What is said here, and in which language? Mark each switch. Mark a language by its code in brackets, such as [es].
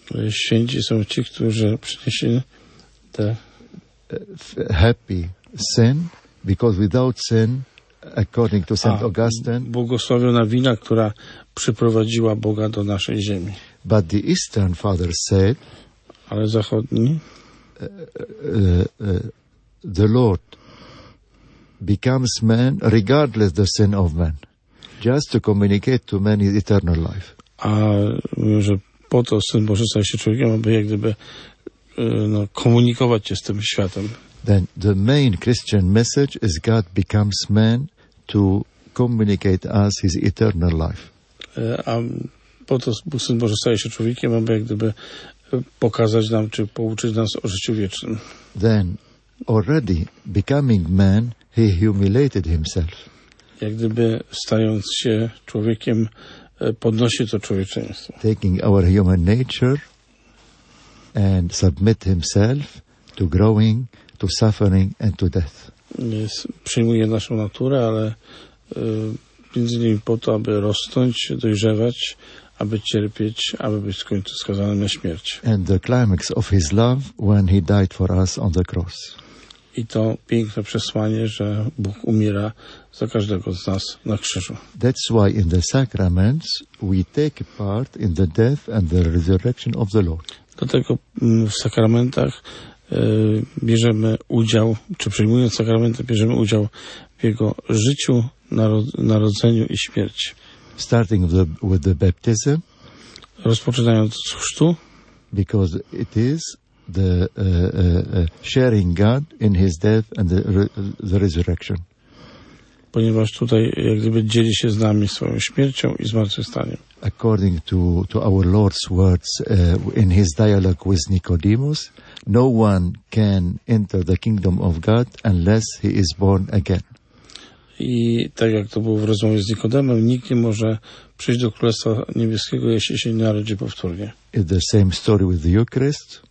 [pl] Święci są ci, którzy przynieśli te [en] happy sin, because without sin, according to Saint Augustine, [pl] błogosławiona wina, która przyprowadziła Boga do naszej ziemi. [en] But the Eastern Father said, [pl] ale zachodni, [en] the Lord becomes man regardless the sin of man, just to communicate to man his eternal life. [pl] A że po to Syn Boży staje się człowiekiem, aby jak gdyby komunikować się z tym światem. [en] Then the main Christian message is God becomes man to communicate us his eternal life. [pl] A po to Syn Boży staje się człowiekiem, aby jak gdyby pokazać nam, czy pouczyć nas o życiu wiecznym. [en] Then already becoming man, he humiliated himself. [pl] Jak gdyby stając się człowiekiem, podnosi to człowieczeństwo. [en] Taking our human nature and submit himself to growing, to suffering and to death. [pl] Przyjmuje naszą naturę, ale między innymi po to, aby rosnąć, dojrzewać, aby cierpieć, aby być w końcu skazanym na śmierć. [en] And the climax of his love when he died for us on the cross. [pl] I to piękne przesłanie, że Bóg umiera za każdego z nas na krzyżu. [en] That's why in the sacraments we take part in the death and the resurrection of the Lord. [pl] Dlatego w sakramentach bierzemy udział, czy przyjmując sakramenty, bierzemy udział w jego życiu, narodzeniu i śmierci. [en] Starting with the baptism, [pl] rozpoczynając od chrztu, [en] because it is the sharing God in his death and the resurrection. [pl] Ponieważ tutaj jak gdyby dzieli się z nami swoją śmiercią i zmartwychwstaniem. [en] According to our Lord's words in his dialogue with Nicodemus, no one can enter the kingdom of God unless he is born again. [pl] I tak jak to było w rozmowie z Nikodemem, nikt nie może przyjść do Królestwa Niebieskiego, jeśli się nie narodzi powtórnie. [en] It's the same story with the Eucharist.